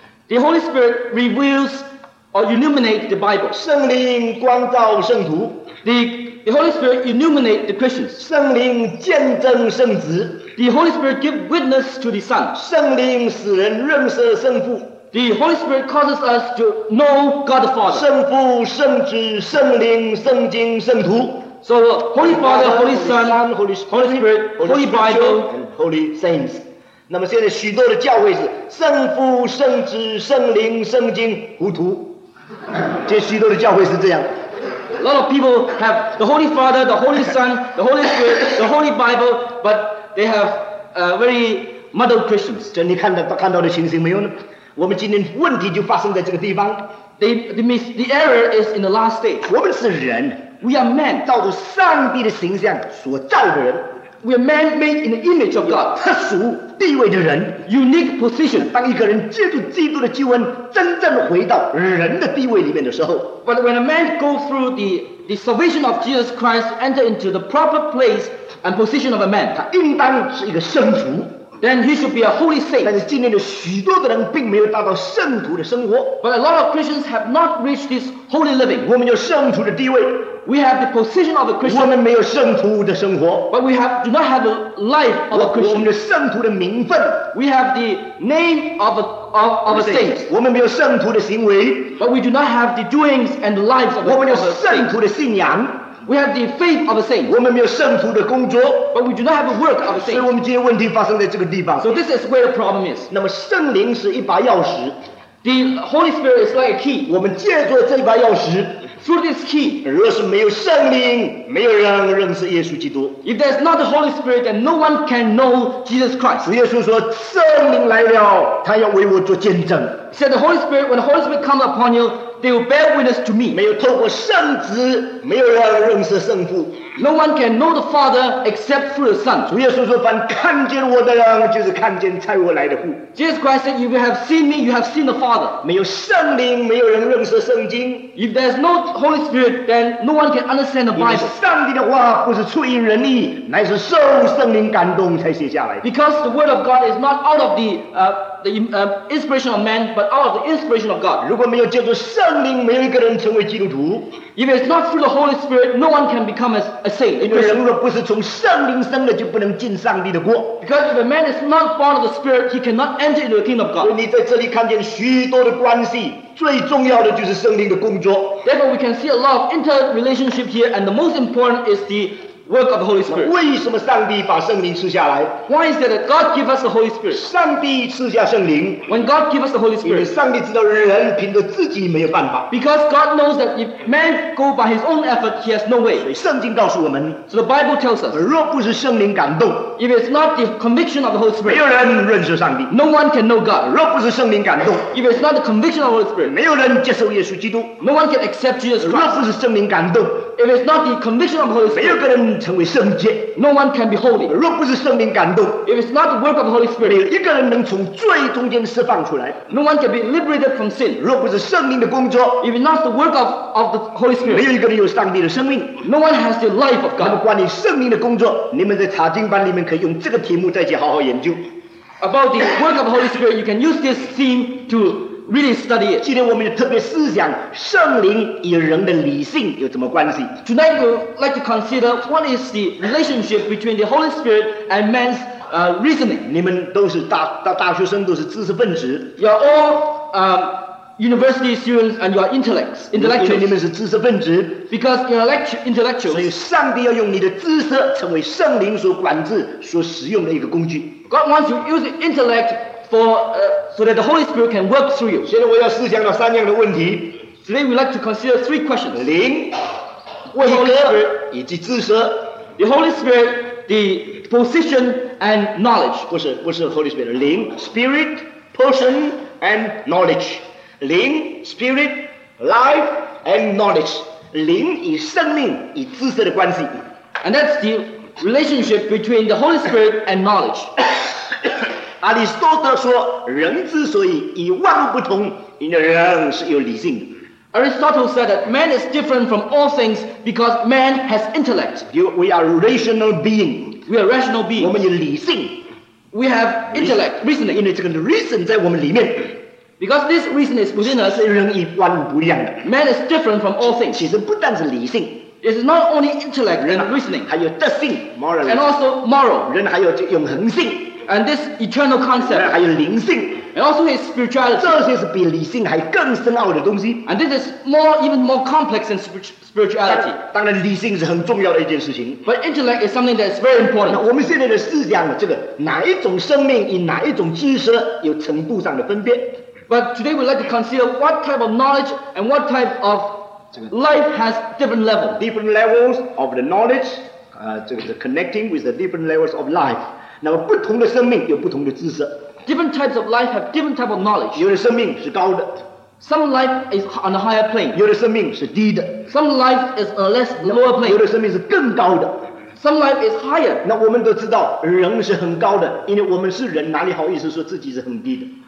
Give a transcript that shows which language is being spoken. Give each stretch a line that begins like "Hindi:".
English: The Holy Spirit reveals or illuminate the Bible.
Chinese: 圣灵光照圣徒。
English: The Holy Spirit illuminate the Christians.
Chinese: 圣灵见证圣子。
English: The Holy Spirit give witness to the Son.
Chinese: 圣灵使人认识圣父。
English: The Holy Spirit causes us to know God the Father.
Chinese: 圣父、圣子、圣灵、圣经、圣徒。
English: So Holy Father, Holy Son, Holy Spirit, Holy Bible, and Holy Saints.
Chinese: 那么现在许多的教会是圣父、圣子、圣灵、圣经、糊涂。这许多的教会是这样。
English: A lot of people have the Holy Father, the Holy Son, the Holy Spirit, the Holy Bible, but they have very muddled Christians.
Chinese: 这你看到的情形没有呢？我们今天问题就发生在这个地方。
English: The error is in the last stage.
Chinese: 我们是人
English: ，We are men，
Chinese: 照着上帝的形象所造的人。
English: We are man made in the image of God.
Chinese: 特殊地位的人
English: ，unique position.
Chinese: 当一个人借助基督的救恩，真正回到人的地位里面的时候
English: ，But when a man go through the salvation of Jesus Christ, enter into the proper place and position of a man,
Chinese: 他应当是一个圣徒。
English: Then he should be a holy saint.
Chinese: 但是今天的许多的人并没有达到圣徒的生活。
English: But a lot of Christians have not reached this holy living.
Chinese: 我们有圣徒的地位。
English: We have the position of a Christian.
Chinese: 我们没有圣徒的生活。
English: But we have, do not have the life of a Christian.
Chinese: 我们的圣徒的名分。
English: We have the name of a, of, of a saint.
Chinese: 我们没有圣徒的行为。
English: But we do not have the doings and the lives of a saint.
Chinese: 我们有圣徒的信仰。
English: We have the faith of a saint.
Chinese: 我们没有圣徒的工作。
English: But we do not have the work of a saint.
Chinese: 所以我们今天问题发生在这个地方。
English: So this is where the problem is.
Chinese: 那么圣灵是一把钥匙。
English: The Holy Spirit is like a key.
Chinese: 我们借助这把钥匙。
English: Through this key.
Chinese: 若是没有圣灵，没有人认识耶稣基督。
English: If there is not the Holy Spirit, then no one can know Jesus Christ.
Chinese: 耶稣说，圣灵来了，他要为我做见证。
English: Said the Holy Spirit, when the Holy Spirit comes upon you, they will bear witness to me.
Chinese: 没有透过圣子，没有人认识圣父。
English: No one can know the Father except through the Son.
Chinese: 主耶稣说，凡看见我的人，就是看见差我来的父。
English: Jesus Christ said, if you have seen me, you have seen the Father.
Chinese: 没有圣灵，没有人认识圣经。
English: If there is no Holy Spirit, then no one can understand the Bible.
Chinese: 因为上帝的话不是出于人意，乃是受圣灵感动才写下来。
English: Because the word of God is not out of the inspiration of man, but out of the inspiration of God.
Chinese: 如果没有借助圣灵，没有一个人成为基督徒。
English: If it's not through the Holy Spirit, no one can become a saint.
Chinese: 因为人若不是从圣灵生的，就不能进上帝的国。
English: Because if a man is not born of the Spirit, he cannot enter into the kingdom of God.
Chinese: 所以你在这里看见许多的关系，最重要的就是圣灵的工作。
English: Therefore, we can see a lot of interrelationship here, and the most important is the work of the Holy Spirit.
Chinese: 为什么上帝把圣灵赐下来？
English: Why is that God give us the Holy Spirit?
Chinese: 上帝赐下圣灵。
English: When God give us the Holy Spirit.
Chinese: 因为上帝知道人凭着自己没有办法。
English: Because God knows that if man go by his own effort, he has no way.
Chinese: 所以圣经告诉我们。
English: So the Bible tells us.
Chinese: 若不是圣灵感动。
English: If it's not the conviction of the Holy Spirit.
Chinese: 没有人认识上帝。
English: No one can know God.
Chinese: 若不是圣灵感动。
English: If it's not the conviction of the Holy Spirit.
Chinese: 没有人接受耶稣基督。
English: No one can accept Jesus Christ.
Chinese: 若不是圣灵感动。
English: If it's not the conviction of the Holy Spirit.
Chinese: 没有个人成为圣洁。
English: No one can be holy.
Chinese: 若不是圣灵感动。
English: If it's not the work of the Holy Spirit.
Chinese: 没有一个人能从罪中间释放出来。
English: No one can be liberated from sin.
Chinese: 若不是圣灵的工作。
English: If it's not the work of the Holy Spirit.
Chinese: 没有一个人有上帝的生命。
English: No one has the life of God.
Chinese: 那么关于圣灵的工作，你们在查经班里面可以用这个题目再去好好研究。
English: About the work of the Holy Spirit, you can use this theme to really study it.
Chinese: 今天我们也特别思想圣灵与人的理性有什么关系。
English: Tonight we'd like to consider what is the relationship between the Holy Spirit and man'sreasoning.
Chinese: 你们都是 大学生，都是知识分子。
English: You're all university students and you are intellectuals.
Chinese: 因为你们是知识分子。
English: Because you're intellectuals.
Chinese: 所以上帝要用你的知识成为圣灵所管制所使用的一个工具。
English: God wants you to use the intellect so that the Holy Spirit can work through you.
Chinese: 现在我要思想到三样的问题。
English: Today we'd like to consider three questions.
Chinese: 灵、位格以及知识。
English: The Holy Spirit, the position and knowledge.
Chinese: 不是
English: Holy Spirit, 灵 Spirit, person and knowledge. 灵 Spirit, life and knowledge.
Chinese: 灵与生命与知识的关系。
English: And that's the relationship between the Holy Spirit and knowledge.
Chinese: 阿里斯多德说，人之所以与万物不同，因为人是有理性的。
English: Aristotle said that man is different from all things because man has intellect. We are rational being. We are rational being.
Chinese: 我们有理性。
English: We have intellect, reasoning.
Chinese: 因为这个 reason 在我们里面。
English: Because this reason is within us.
Chinese: 是人与万物不一样的。
English: Man is different from all things.
Chinese: 其实不但是理性。
English: It is not only intellect and reasoning.
Chinese: 还有德性 moral.
English: And also moral.
Chinese: 人还有永恒性。
English: And this eternal concept,
Chinese: 还有灵性，
English: and also his spirituality.
Chinese: 这些是比理性还更深奥的东西。
English: And this is more, even more complex than spirituality.
Chinese: 当然，理性是很重要的一件事情。
English: But intellect is something that is very important.
Chinese: 那我们现在的思想，这个哪一种生命与哪一种知识有程度上的分别？
English: But today we'd like to consider what type of knowledge and what type of life has different levels. Different levels of the knowledge,
Chinese: 这个
English: connecting with the different levels of life.
Chinese: 那么不同的生命有不同的知识。
English: Different types of life have different type of knowledge.
Chinese: 有的生命是高的。
English: Some life is on a higher plane.
Chinese: 有的生命是低的。
English: Some life is a less lower plane.
Chinese: 有的生命是更高的。
English: Some life is higher.
Chinese: 那我们都知道人是很高的，因为我们是人，哪里好意思说自己是很低的？